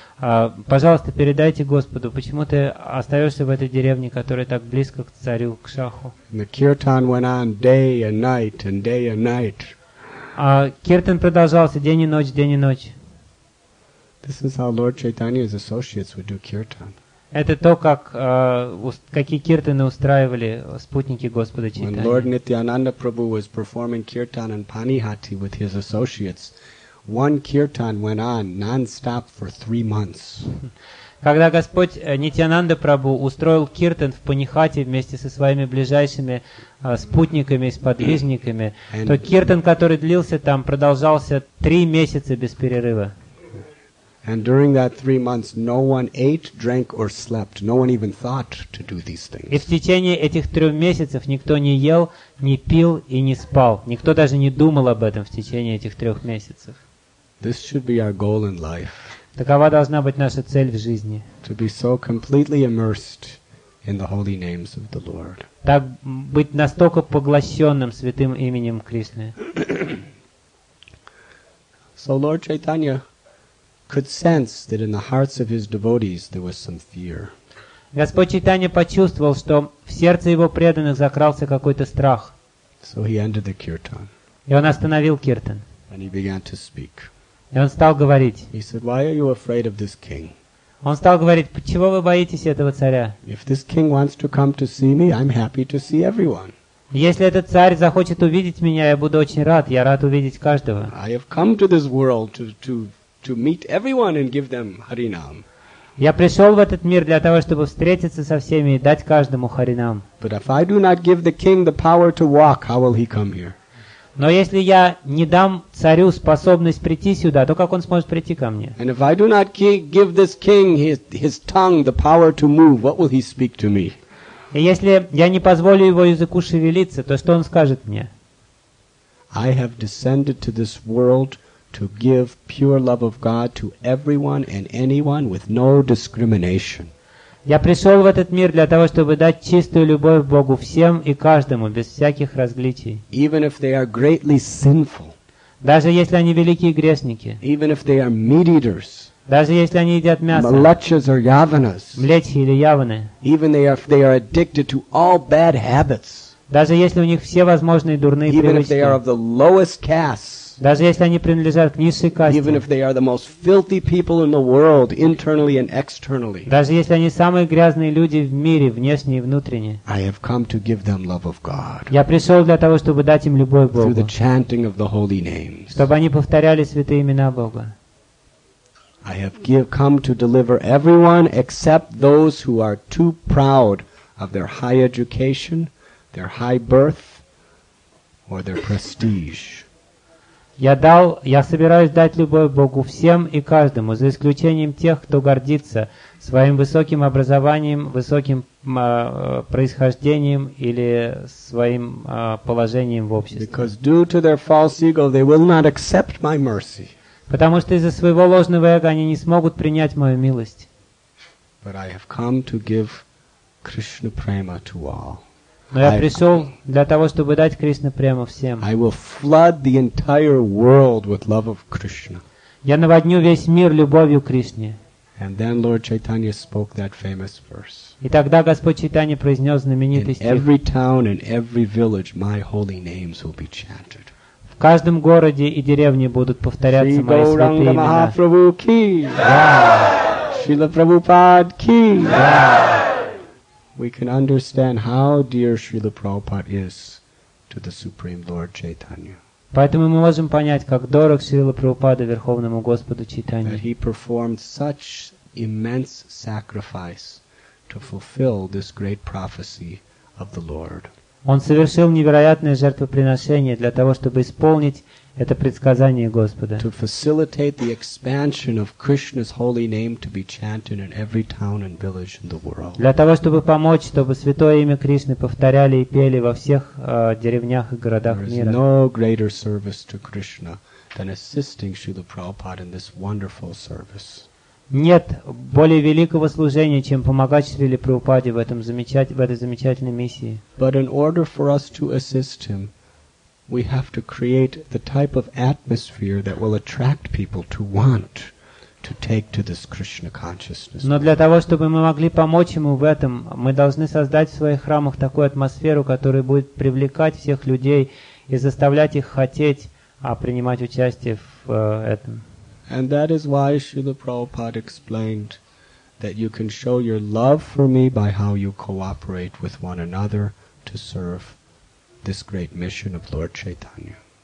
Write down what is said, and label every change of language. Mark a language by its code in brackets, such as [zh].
[ru] Пожалуйста, передайте Господу, почему ты остаешься в этой деревне, которая так близко к царю, к Шаху? [en] The kirtan went on day and night and day and night. [ru] Киртан продолжался день и ночь, день и ночь. [en] This is how Lord Chaitanya's associates would do kirtan. [ru] Это то, как какие киртаны устраивали спутники Господа Чайтаньи. [en] When Lord Nityananda Prabhu was performing kirtan in Panihati with his associates, one kirtan went on non-stop for 3 months. [ru] Когда Господь Нитьянанда Прабху устроил киртан в Панихате вместе со своими ближайшими спутниками и сподвижниками, то киртан, который длился там, продолжался 3 месяца без перерыва. [en] And during that 3 months, no one ate, drank or slept. No one even thought to do these things. [ru] И в течение этих 3 месяцев никто не ел, не пил и не спал. Никто даже не думал об этом в течение этих 3 месяцев. [en] This should be our goal in life. [ru] Такова должна быть наша цель в жизни. [en] To be so completely immersed in the holy names of the Lord. [ru] Так быть настолько поглощенным святым именем Кришны. [en] So Lord Chaitanya could sense that in the hearts of his devotees there was some fear. [ru] Господь Чайтанья почувствовал, что в сердце его преданных закрался какой-то страх. [en] So he ended the kirtan. [ru] И он остановил киртан. [en] And he began to speak. [ru] И он стал говорить. [en] He said, "Why are you afraid of this king?" [ru] Он стал говорить, почему вы боитесь этого царя? [en] If this king wants to come to see me, I'm happy to see everyone. [ru] Если этот царь захочет увидеть меня, я буду очень рад. Я рад увидеть каждого. [en] I have come to this world to meet everyone and give them Harinam. [ru] Я пришел в этот мир для того, чтобы встретиться со всеми и дать каждому Харинам. [en] But if I do not give the king the power to walk, how will he come here? [ru] Но если я не дам царю способность прийти сюда, то как он сможет прийти ко мне? [en] And if I do not give this king his tongue, the power to move, what will he speak to me? [ru] И если я не позволю его языку шевелиться, то что он скажет мне? [en] I have descended to this world to give pure love of God to everyone and anyone with no discrimination. [ru] Я пришел в этот мир для того, чтобы дать чистую любовь Богу всем и каждому, без всяких различий. [en] Even if they are greatly sinful. [ru] Даже если они великие грешники. [en] Even if they are meat eaters. [ru] Даже если они едят мясо. [en] Malachas or yavanas. [ru] Млечхи или яваны. [en] Even if they are addicted to all bad habits. [ru] Даже если у них все возможные дурные [en] Even [ru] привычки. [en] Even if they are of the lowest caste. [ru] Даже если они принадлежат к низшей касте. [en] Even if they are the most filthy people in the world, internally and externally. [ru] Даже если они самые грязные люди в мире, внешне и внутренне. [en] I have come to give them love of God. [ru] Я пришел для того, чтобы дать им любовь Богу. [en] Through the chanting of the holy names. [ru] Чтобы они повторяли святые имена Бога. [en] I have come to deliver everyone except those who are too proud of their high education, their high birth, or their prestige. [ru] Я собираюсь дать любовь Богу всем и каждому, за исключением тех, кто гордится своим высоким образованием, высоким происхождением или своим положением в обществе. [en] Because due to their false ego, they will not accept my mercy. [ru] Потому что из-за своего ложного эго они не смогут принять мою милость. [en] But I have come to give Krishna prema to all. [ru] Но я пришел для того, чтобы дать Кришну прему всем. [en] I will flood the entire world with love of Krishna. [ru] Я наводню весь мир любовью к Кришне. [en] And then Lord Chaitanya spoke that famous verse. [ru] И тогда Господь Чайтанья произнес знаменитый стих. [en] In every town and every village, my holy names will be chanted. [ru] В каждом городе и деревне будут повторяться мои святые имена. Шри Гауранга Махапрабху ки. Шрила Прабхупад ки. [en] We can understand how dear Srila Prabhupada is to the Supreme Lord Chaitanya. [ru] Поэтому мы можем понять, как дорог Шрила Прабхупада Верховному Господу Чайтанье. [en] That he performed such immense sacrifice to fulfill this great prophecy of the Lord. [ru] Он совершил невероятное жертвоприношение для того, чтобы исполнить это предсказание Господа. [en] To facilitate the expansion of Krishna's holy name to be chanted in every town and village in the world. [ru] Для того, чтобы помочь, чтобы святое имя Кришны повторяли и пели во всех деревнях и городах мира. [en] There is no greater service to Krishna than assisting Srila Prabhupada in this wonderful service. [ru] Нет более великого служения, чем помогать Шриле Прабхупаде в этой замечательной миссии. [en] But in order for us to assist him, we have to create the type of atmosphere that will attract people to want to take to this Krishna consciousness. [ru] Но для того, чтобы мы могли помочь ему в этом, мы должны создать в своих храмах такую атмосферу, которая будет привлекать всех людей и заставлять их хотеть принимать участие в этом. [en] And that is why Srila Prabhupada explained that you can show your love for me by how you cooperate with one another to serve this great mission of Lord Chaitanya.